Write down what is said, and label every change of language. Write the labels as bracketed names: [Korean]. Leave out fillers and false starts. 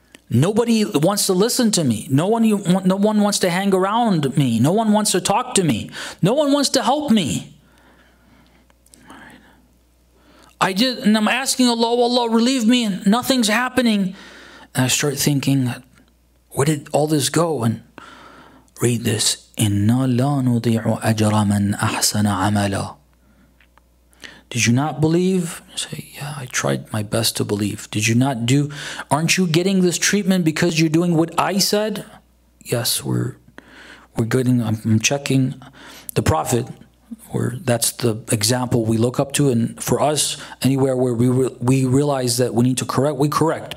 [English] Nobody wants to listen to me. No one wants to hang around me. No one wants to talk to me. No one wants to help me. I did, and I'm asking Allah, Allah, relieve me, and nothing's happening. And I start thinking, where did all this go? And read this, [Arabic] إِنَّا لَا نُضِيعُ أَجْرَ مَنْ أَحْسَنَ عَمَلًا. [English] Did you not believe? You say, yeah, I tried my best to believe. Did you not do, aren't you getting this treatment because you're doing what I said? Yes, we're getting, I'm checking the Prophet. Where that's the example we look up to. And for us, anywhere where we realize that we need to correct, we correct.